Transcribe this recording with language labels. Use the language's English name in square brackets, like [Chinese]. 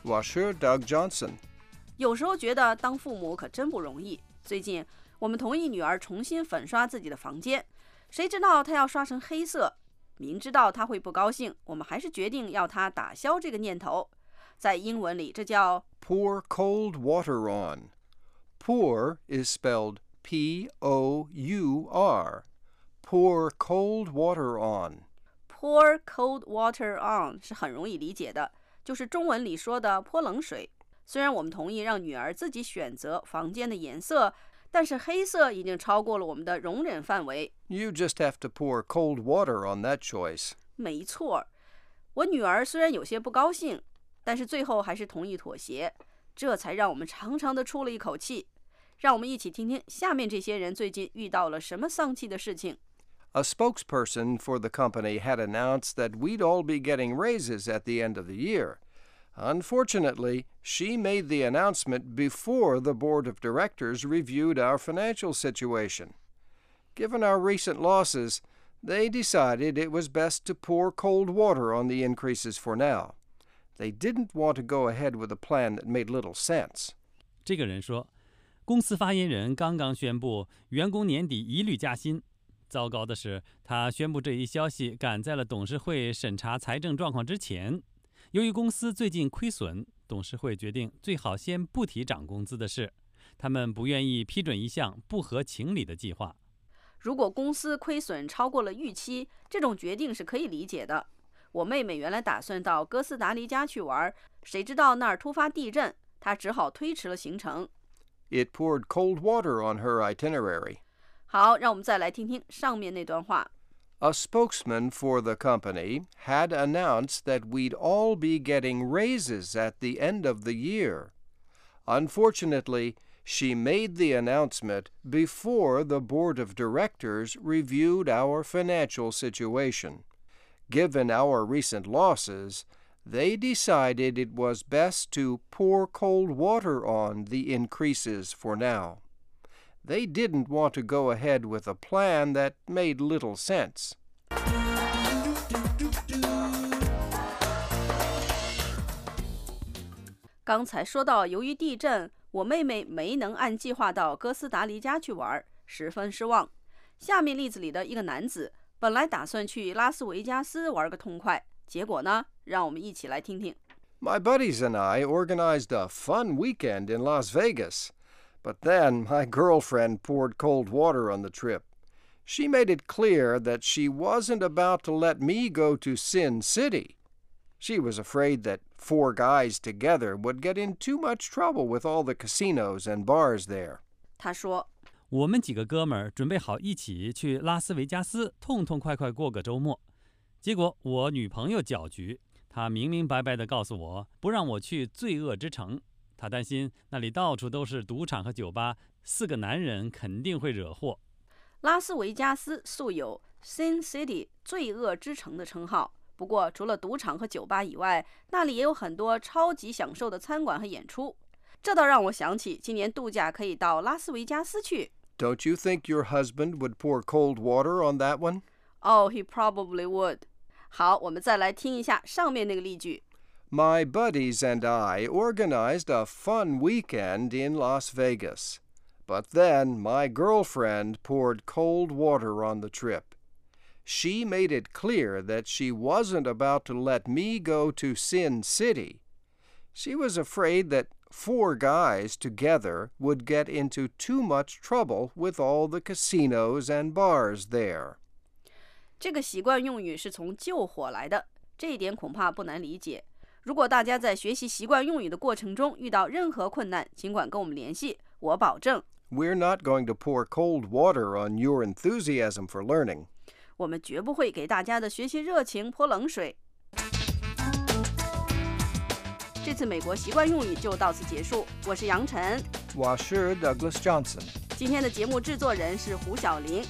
[Chinese] 我是 Doug Johnson。有时候觉得当父母可真不容易，最近我们同意女儿重新粉刷自己的房间，谁知道她要刷成黑色，明知道她会不高兴，我们还是决定要她打消这个念头。在英文里这叫 [English] pour cold water on。 pour is spelled P-O-U-R, pour cold water on Pour cold water on [Chinese] 是很容易理解的，就是中文里说的泼冷水。虽然我们同意让女儿自己选择房间的颜色，但是黑色已经超过了我们的容忍范围。 [English] You just have to pour cold water on that choice. [Chinese] 没错，我女儿虽然有些不高兴，但是最后还是同意妥协，这才让我们长长的出了一口气。让我们一起听听下面这些人最近遇到了什么丧气的事情。 [English] A spokesperson for the company had announced that we'd all be getting raises at the end of the year. Unfortunately, she made the announcement before the board of directors reviewed our financial situation. Given our recent losses, they decided it was best to pour cold water on the increases for now. They didn't want to go ahead with a plan that made little sense. [Chinese] 这个人说，公司发言人刚刚宣布员工年底一律加薪。糟糕的是，他宣布这一消息赶在了董事会审查财政状况之前。由于公司最近亏损，董事会决定最好先不提涨工资的事。他们不愿意批准一项不合情理的计划。如果公司亏损超过了预期，这种决定是可以理解的。我妹妹原来打算到哥斯达黎加去玩，谁知道那儿突发地震，她只好推迟了行程。 [English] It poured cold water on her itinerary. [Chinese] 好，让我们再来听听上面那段话。 [English] A spokesman for the company had announced that we'd all be getting raises at the end of the year. Unfortunately, she made the announcement before the board of directors reviewed our financial situation. Given our recent losses, they decided it was best to pour cold water on the increases for now. They didn't want to go ahead with a plan that made little sense. [Chinese] 刚才说到由于地震，我妹妹没能按计划到哥斯达黎加去玩，十分失望。下面例子里的一个男子本来打算去拉斯维加斯玩个痛快，结果呢，让我们一起来听听。 [English] My buddies and I organized a fun weekend in Las Vegas. But then my girlfriend poured cold water on the trip. She made it clear that she wasn't about to let me go to Sin City. She was afraid that four guys together would get in too much trouble with all the casinos and bars there. [Chinese] 她说，我们几个哥们儿准备好一起去拉斯维加斯痛痛快快过个周末。结果我女朋友搅局，她明明白白地告诉我，不让我去罪恶之城。他担心那里到处都是赌场和酒吧，四个男人肯定会惹祸。拉斯维加斯素有 Sin City 罪恶之城的称号，不过除了赌场和酒吧以外，那里也有很多超级享受的餐馆和演出。这倒让我想起今年度假可以到拉斯维加斯去。 [English] Don't you think your husband would pour cold water on that one? Oh, he probably would. [Chinese] 好，我们再来听一下上面那个例句。 [English] My buddies and I organized a fun weekend in Las Vegas. But then my girlfriend poured cold water on the trip. She made it clear that she wasn't about to let me go to Sin City. She was afraid that four guys together would get into too much trouble with all the casinos and bars there. [Chinese] 这个习惯用语是从救火来的，这一点恐怕不难理解。如果大家在学习习惯用语的过程中遇到任何困难，尽管跟我们联系，我保证。 [English] We're not going to pour cold water on your enthusiasm for learning. [Chinese] 我们绝不会给大家的学习热情泼冷水。这次美国习惯用语就到此结束。我是杨晨。我是 Douglas Johnson。今天的节目制作人是胡晓玲。